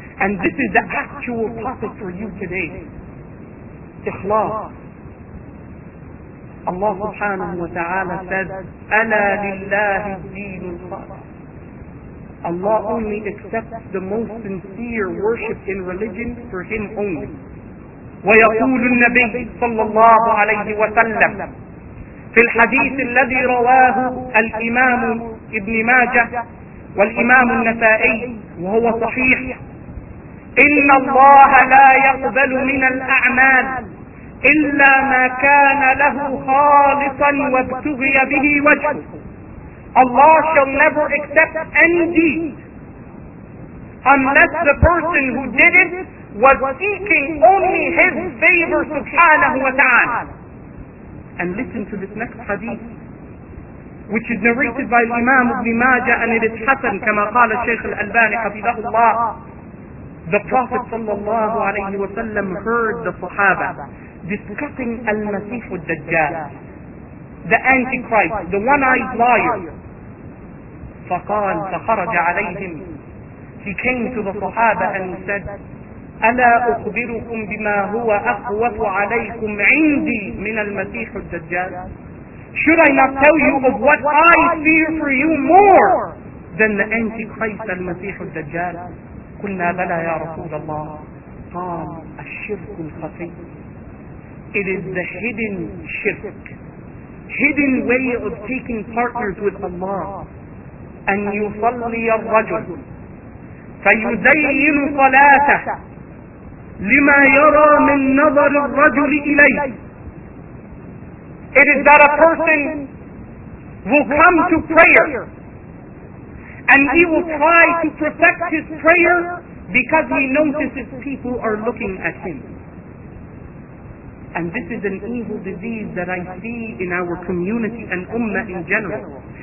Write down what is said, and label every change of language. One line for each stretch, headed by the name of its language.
English: And this is the actual topic for you today. Ikhlas. Allah subhanahu wa ta'ala says,
Arabic: أَلَا لِلَّهِ الدِّينُ الْخَالِصُ.
English: Allah only accepts the most sincere worship in religion for Him only.
Arabic: وَيَقُولُ النَّبِيُّ صَلَّى اللَّهُ عَلَيْهِ وَسَلَّمُ في الحديث الذي رواه الإمام ابن ماجه والإمام النسائي وهو صحيح إن الله لا يقبل من الأعمال إلا ما كان له خالصا وابتغي به وجهه.
English: Allah shall never accept any deed unless the person who did it was seeking only His favor subhanahu wa ta'ala. And listen to this next hadith, which is narrated by Imam Ibn Majah, and it is Hassan,
Arabic: كما قال الشيخ الألباني حفظه الله.
English: The Prophet sallallahu alayhi wa sallam heard the Sahaba discussing Al-Masih al-Dajjal, the Antichrist, the one-eyed liar.
Arabic: فقال فخرج عليهم.
English: He came to the Sahaba and he said,
Arabic: ألا أخبركم بما هو أخوف عليكم عندي من المسيح الدجال.
English: Should I not tell you of what I fear for you more than the Antichrist المسيح الدجال.
Arabic: قلنا بلى يا رسول الله. قال الشرك الخفي.
English: It is the hidden shirk. Hidden way of taking partners with Allah.
Arabic: أن يصلي الرجل فيزين صلاته لما يرى من نظر الرجل إليه.
English: It is that a person will come to prayer and he will try to perfect his prayer because he notices people are looking at him. And this is an evil disease that I see in our community and ummah in general.